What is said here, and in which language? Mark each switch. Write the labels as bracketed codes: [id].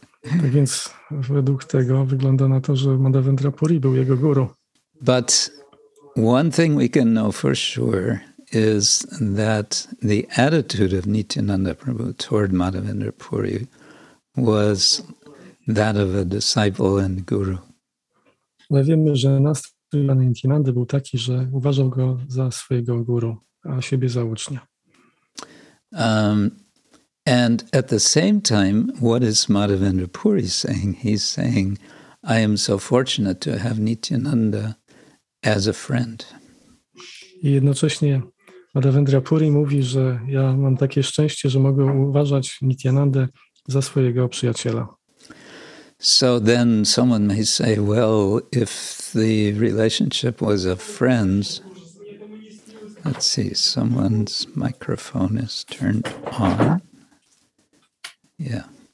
[pl] Tak więc według tego wygląda na to, że Madhavendra Puri był jego guru. [en] But one thing we can know for sure is that the attitude of Nityananda Prabhu toward Madhavendra Puri was that of a disciple and guru. [pl] Ale wiemy, że nastrój Nityananda był taki, że uważał go za swojego guru, a siebie za ucznia. [en] And at the same time, what is Madhavendra Puri saying? He's saying, I am so fortunate to have Nityananda as a friend. [pl] I jednocześnie Madhavendra Puri mówi, że ja mam takie szczęście, że mogę uważać Nityanandę za swojego przyjaciela. [en] So then someone may say, well, if the relationship was of friends, let's see, someone's microphone is turned on. Yeah.